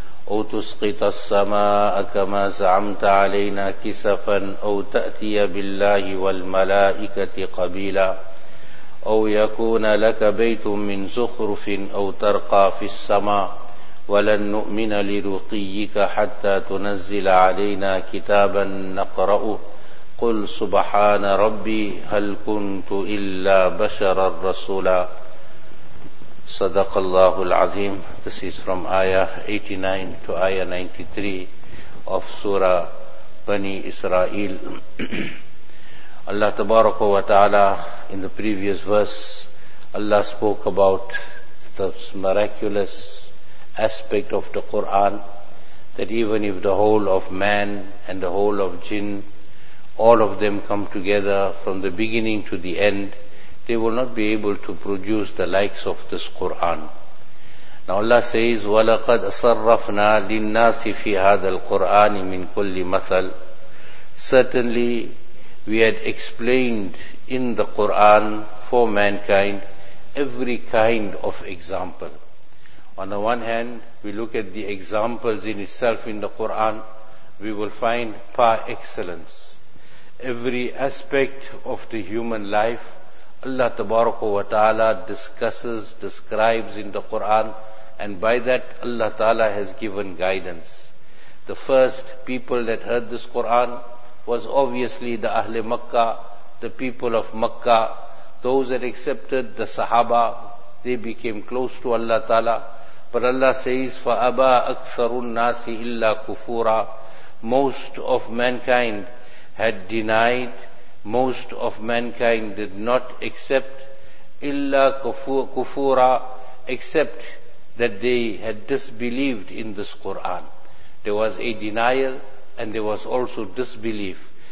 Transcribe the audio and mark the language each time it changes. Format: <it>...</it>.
<ar>أو تسقط السماء كما زعمت علينا كسفا أو تأتي بالله والملائكة قبيلا أو يكون لك بيت من زخرف أو ترقى في السماء ولن نؤمن لرقيك حتى تنزل علينا كتابا نقرأه قل سبحان ربي هل كنت إلا بشرا رسولا صدق الله العظيم.</ar> <en>This is from ayah 89 to ayah 93 of surah Bani Israel. Allah tabaraka wa ta'ala, in the previous verse Allah spoke about the miraculous aspect of the Quran, that even if the whole of man and the whole of jinn, all of them come together from the beginning to the end, they will not be able to produce the likes of this Qur'an. Now Allah says,</en> <ar>وَلَقَدْ أَصَرَّفْنَا لِلنَّاسِ فِي هَذَا الْقُرْآنِ مِنْ كُلِّ مَثَلٍ.</ar> <en>Certainly, we had explained in the Qur'an for mankind every kind of example. On the one hand, we look at the examples in itself in the Qur'an, we will find par excellence. Every aspect of the human life, Allah tabaraka wa ta'ala describes in the Qur'an, and by that Allah ta'ala has given guidance. The first people that heard this Qur'an was obviously the Ahl-e Makkah, the people of Makkah. Those that accepted, the Sahaba, they became close to Allah ta'ala. But Allah says,</en> <ar>فَأَبَىٰ أَكْثَرُ النَّاسِ إِلَّا كُفُورًا.</ar> <en>Most of mankind had denied, most of mankind did not accept, illa kufura, except that they had disbelieved in this Qur'an. There was a denial and there was also disbelief.</en>